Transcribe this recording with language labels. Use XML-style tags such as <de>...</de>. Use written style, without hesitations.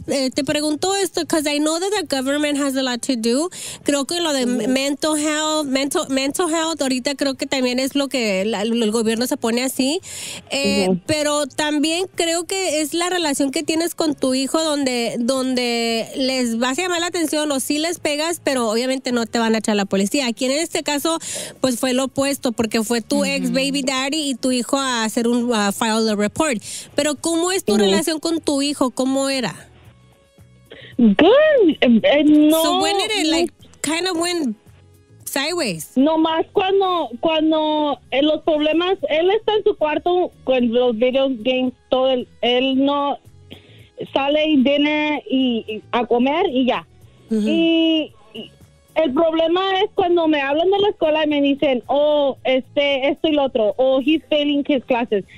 <es>Te pregunto esto,</es> <en>because I know that the government has a lot to do.</en> <es>Creo que lo de mental health, ahorita creo que también es lo que el gobierno se pone así. Pero también creo que es la relación que tienes con tu hijo donde les vas a llamar la atención o sí les pegas, pero obviamente no te van a echar a la policía. Aquí en este caso, pues fue lo opuesto, porque fue tu ex baby daddy y tu hijo a hacer un</es> <en>file the report.</en> <es>Pero ¿cómo es tu relación con tu hijo? ¿Cómo era?</es> <en>Good. No. So when did it kind of went sideways?</en> <es>No más cuando los problemas, él está en su cuarto con los video games, todo él no sale y viene y a comer y ya. Y el problema es cuando me hablan de la escuela y me dicen, esto y lo otro,</es> <en>he's failing his classes.</en>